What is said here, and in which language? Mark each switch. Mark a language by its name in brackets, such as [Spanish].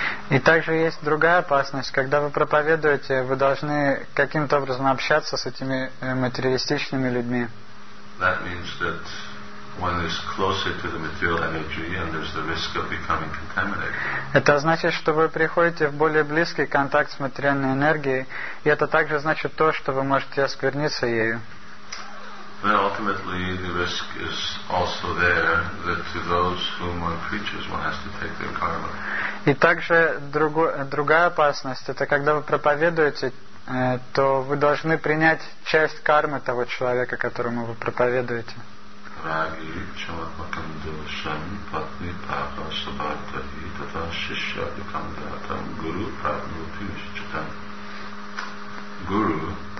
[Russian] И также есть другая опасность, когда вы проповедуете, вы должны каким-то образом общаться с этими материалистичными людьми. [English] That means that one is closer to the material energy and there's the risk of becoming contaminated. [Russian] Это значит, что вы приходите в более близкий контакт с материальной энергией, и это также значит то, что вы можете оскверниться ею. [English] Then ultimately the risk is also there that to those whom one preaches one has to take their karma. [Russian] И также другая опасность это когда вы проповедуете, то вы должны принять часть кармы того человека, которому вы проповедуете. [Sanskrit] Раги, чаматмакам дилшам, патни паха, сабарта, и тата, шишья, бикандатам, гуру, правну, пимишчатам.